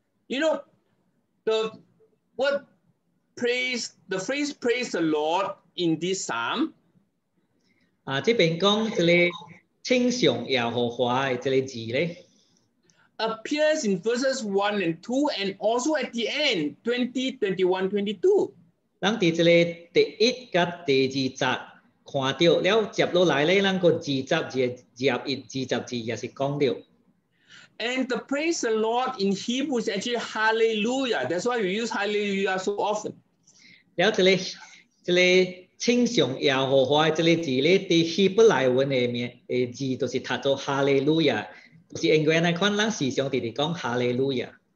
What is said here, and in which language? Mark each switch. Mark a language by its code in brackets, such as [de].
[en] You know, the phrase praise the Lord in this psalm. This is saying this. [nan] 称颂耶和华的这个字咧 [en] ，appears in verses 1 and 2 and also at the end 20, 21, 22。 [nan] 咱伫这个第一甲第二节看到了接落来咧，咱个二十节、二十节也是讲到。 [en] And the praise the Lord in Hebrew is actually hallelujah. That's why we use hallelujah so often. [nan] 了这里，这里称颂耶和华，这里字咧在希伯来文里面诶字都是读作 hallelujah， 就是因为那款咱时常地地讲 hallelujah。